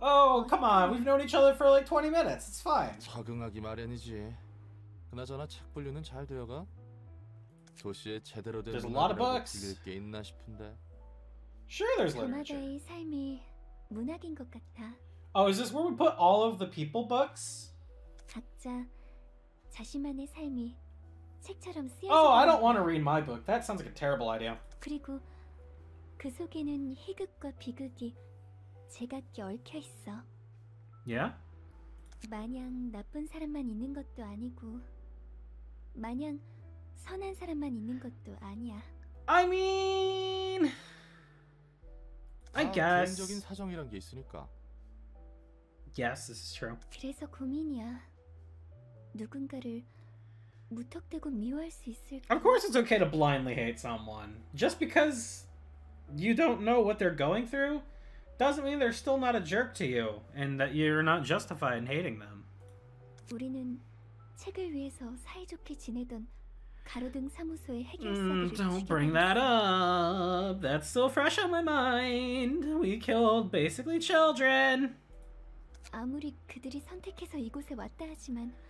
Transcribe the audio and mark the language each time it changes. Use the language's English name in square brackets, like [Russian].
[English] Oh, come on. We've known each other for like 20 minutes. It's fine. [Korean] 적응하기 마련이지. 그나저나 책 분류는 잘 되어가? 도시에 제대로 된 문학이 있을 게 있나 싶은데. [English] Sure, there's literature. [Korean] 도마다의 삶이 문학인 것 같아. [English] Oh, is this where we put all of the people books? [Korean] 각자 자신만의 삶이 책처럼 쓰여. [English] Oh, I don't want to read my book. That sounds like a terrible idea. [Korean] 그리고 그 속에는 희극과 비극이 제각기 얽혀 있어. [English] Yeah? [Korean] 마냥 나쁜 사람만 있는 것도 아니고 마냥 선한 사람만 있는 것도 아니야. [English] I mean, I guess. [Korean] 개인적인 사정이란 게 있으니까. [English] Yes, this is true. [Korean] 그래서 고민이야. 누군가를 무턱대고 미워할 수 있을까? [English] Of course, it's okay to blindly hate someone just because. You don't know what they're going through doesn't mean they're still not a jerk to you and that you're not justified in hating them. [Korean] 우리는 책을 위해서 사이좋게 지내던 가로등 사무소의 해결사들을 [English] Don't bring that up. That's still fresh on my mind. We killed basically children. [Korean] 아무리 그들이 선택해서 이곳에 왔다 하지만